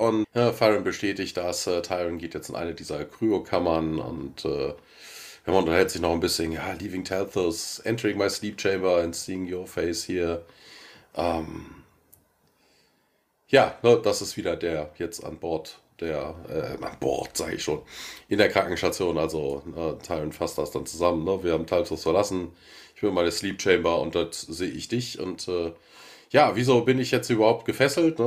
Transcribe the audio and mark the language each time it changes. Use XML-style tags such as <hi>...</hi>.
<de>Und Farron bestätigt das. Tyrant geht jetzt in eine dieser Kryokammern und man unterhält sich noch ein bisschen.</de> <en>Ja, leaving Talthus, entering my sleep chamber and seeing your face here.</en> <de>Ja, das ist wieder der jetzt an Bord der, an Bord, sage ich schon, in der Krankenstation. Also Tyrant fasst das dann zusammen. Ne? Wir haben Talthus verlassen. Ich bin in meine Sleep Chamber und dort sehe ich dich. Und ja, wieso bin ich jetzt überhaupt gefesselt? Ne?</de>